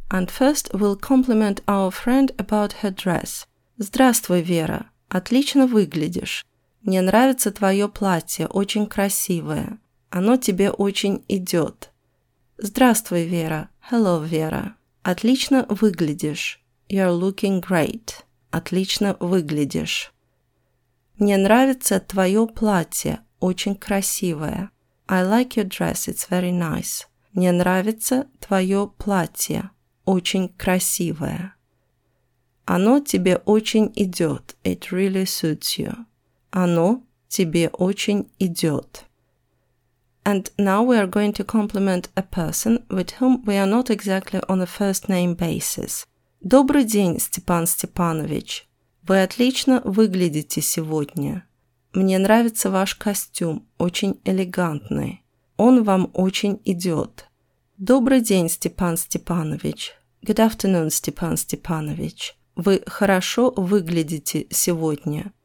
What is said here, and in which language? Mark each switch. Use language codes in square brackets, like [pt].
[en] And first, we'll compliment our friend about her dress. [ru] Здравствуй, Вера. Отлично выглядишь. Мне нравится твое платье, очень красивое. Оно тебе очень идет. Здравствуй, Вера. [en] Hello, [ru] Вера. Отлично выглядишь. [en] You're looking great. [ru] Отлично выглядишь. Мне нравится твое платье, очень красивое. [en] I like your dress, it's very nice. [ru] Мне нравится твое платье, очень красивое. Оно тебе очень идет, [en] it really suits you. [ru] Оно тебе очень идет. [en] And now we are going to compliment a person with whom we are not exactly on a first name basis. [ru] Добрый день, Степан Степанович. Вы отлично выглядите сегодня. Мне нравится ваш костюм, очень элегантный. Он вам очень идет. Добрый день, Степан Степанович. [en] Good afternoon, [ru] Степан Степанович. Вы хорошо выглядите сегодня.